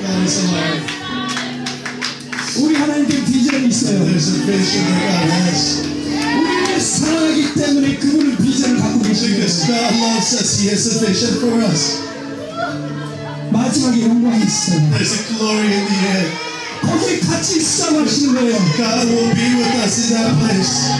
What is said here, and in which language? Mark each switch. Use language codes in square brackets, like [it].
[ko] 우리 하나님께 비전이 있어요. [en] There's a vision that God has. [ko] 우리를 사랑하기 때문에 그분은 비전을 갖고 계십니다. [en] Because God loves us, He has a vision for us. [ko] 마지막에 영광이 있어요. [en] There's a glory in the end. [ko] 거기 같이 싸우시는 거예요. [en] God will be with us in that place.